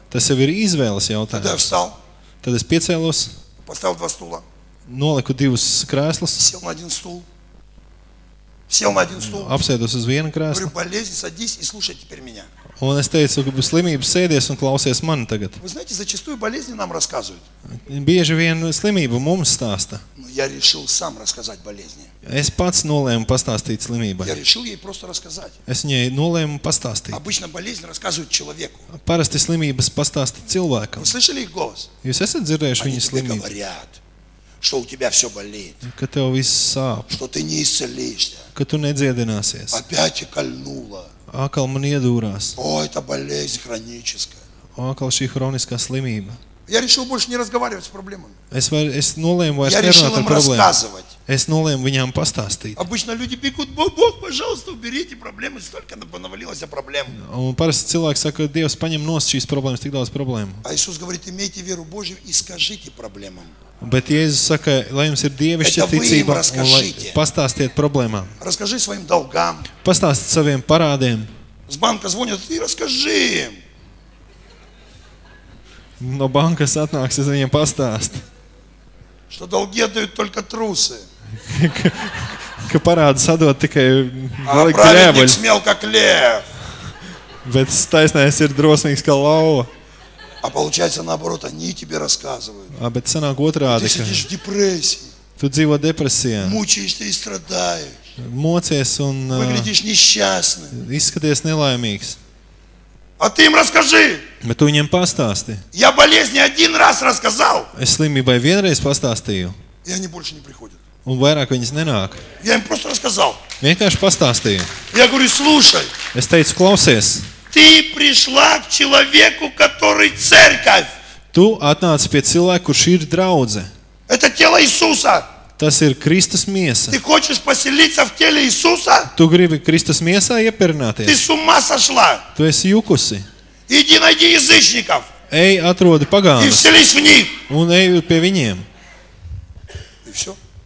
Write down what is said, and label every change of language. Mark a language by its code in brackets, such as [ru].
[lv] Tas jau ir izvēles jautājums. Tad es [ru] встал. [lv] Tad es piecēlos. [ru] Поставил два стула. [lv] Noliku divus krēslus. [ru] Сел на один стул. Сел на один стул. [lv] Apsēdos uz vienu krēslu. [ru] Говорю, болезнь, садись и слушай теперь меня. [lv] Un es teicu, ka slimība sēdies un klausies mani tagad. [ru] Вы знаете, зачастую болезни нам рассказывают. [lv] Bieži vien slimību mums stāsta. [ru] Но Я решил сам рассказать болезни. [lv] Es pats nolēmu pastāstīt slimībai. [ru] Я решил ей просто рассказать. [lv] Es viņai nolēmu pastāstīt. [ru] Обычно болезнь рассказывают человеку. [lv] Parasti slimības pastāsta cilvēkam. [ru] Вы слышали их голос? [lv] Jūs esat dzirdējuši viņu slimību? [ru] Они говорят, что у тебя все болит. [lv] Ka tev viss sāp. [ru] Что ты не исцелишься. [lv] Ka tu nedziedināsies. [ru] Опять кольнуло. [lv] Akal man iedūrās. [ru] О, это болезнь хроническая. [lv] Akal šī hroniskā slimība. [ru] Я решил больше не разговаривать с проблемами. [lv] Es nolēmu vairs nerunāt par problēmām. [ru] Я решил им рассказывать. [lv] Es nolēmu viņām pastāstīt. [ru] Обычно люди бегут: "Бог, пожалуйста, уберите проблемы, столько понавалилось проблем". [lv] Un parasti cilvēki saka: "Dievs, paņem nost šīs problēmas, tik daudz problēmu". [ru] А Иисус говорит: "Имейте веру Божию и скажите проблемам". [lv] Bet Jēzus saka, lai jums ir dievišķa ticība, un lai pastāstiet problēmām. [ru] Расскажи своим долгам. [lv] Pastāsti saviem parādiem. [ru] С банка звонят и расскажи им. [lv] No bankas atnāks, es viņiem pastāstu. [ru] Что долги отдают только трусы. [lv] Ka parādus atdod tikai grēbuļi. [ru] А праведник смел, как лев. [lv] Bet taisnais ir drosmīgs, kā lauva. [ru] А получается наоборот, они тебе рассказывают. [lv] А bet sanāk otrādi. [ru] Ты сидишь в депрессии. [lv] Tu dzīvo depresijā. [ru] Мучаешься и страдаешь. [lv] Mocies un [ru] выглядишь несчастным. [lv] Izskaties nelaimīgs. [ru] А ты им расскажи. [lv] Bet tu viņiem pastāsti. [ru] Я болезни один раз рассказал. [lv] Es slimībai vienreiz pastāstīju. [ru] И они больше не приходят. [lv] Un vairāk viņas nenāk. [ru] Я им просто рассказал. [lv] Vienkārši pastāstīju. [ru] Я говорю, слушай. [lv] Es teicu, klausies. [ru] Ты пришла к человеку, который церковь. [lv] Tu atnāci pie cilvēka, kurš ir draudze. [ru] Это тело Иисуса. [lv] Tas ir Kristus miesa. [ru] Ты хочешь поселиться в теле Иисуса? [lv] Tu gribi Kristus miesā iepirināties? [ru] Ты с ума сошла? [lv] Tu esi jukusi. [ru] Иди найди язычников. [lv] Ei, atrodi pagānus. [ru] И вселись в них. [lv] Un ej pie viņiem. [ru] И все.